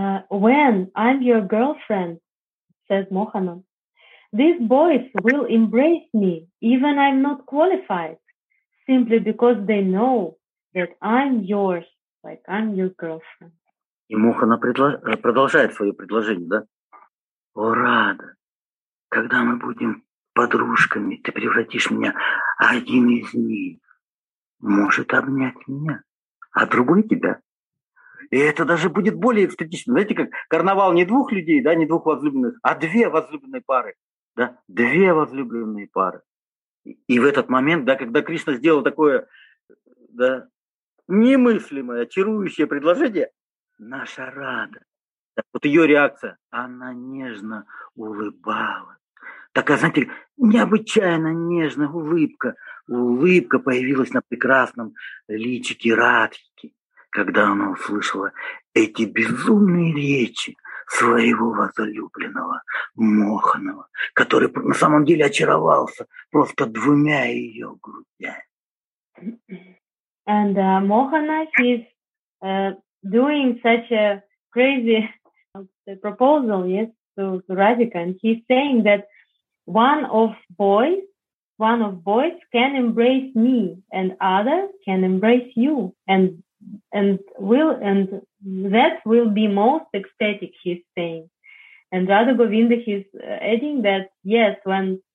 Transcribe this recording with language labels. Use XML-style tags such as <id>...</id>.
<en>When I'm your girlfriend, says Mohana, these boys will embrace me, even I'm not qualified, simply because they know that I'm yours, like I'm your girlfriend.</en> <ru>И Мохана продолжает свое предложение, да? О, Рада, когда мы будем подружками, ты превратишь меня, один из них может обнять меня, а другой тебя. И это даже будет более эстетично. Знаете, как карнавал не двух людей, да, не двух возлюбленных, а две возлюбленные пары. Да, две возлюбленные пары. И в этот момент, да, когда Кришна сделал такое, да, немыслимое, очарующее предложение, наша Рада. Так вот ее реакция, она нежно улыбалась. Такая, знаете, необычайно нежная улыбка. Улыбка появилась на прекрасном личике Радхи, когда она услышала эти безумные речи своего возлюбленного Моханова, который на самом деле очаровался просто двумя ее грудями.</ru> <en>And Mohana is doing such a crazy the proposal, yes, to Radhika, and he's saying that one of boys can embrace me and other can embrace you and that will be most ecstatic, he's saying. And Radha Govinda, he's adding that, yes, when</en>